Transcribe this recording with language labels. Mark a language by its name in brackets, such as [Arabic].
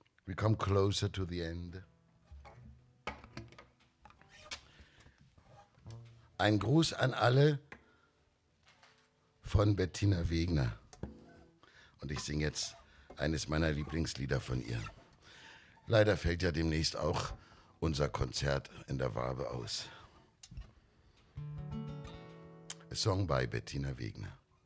[English] We come closer to the end. [German] Ein Gruß an alle von Bettina Wegner. Und ich singe jetzt eines meiner Lieblingslieder von ihr. Leider fällt ja demnächst auch unser Konzert in der Wabe aus. [English] A song by Bettina Wegner.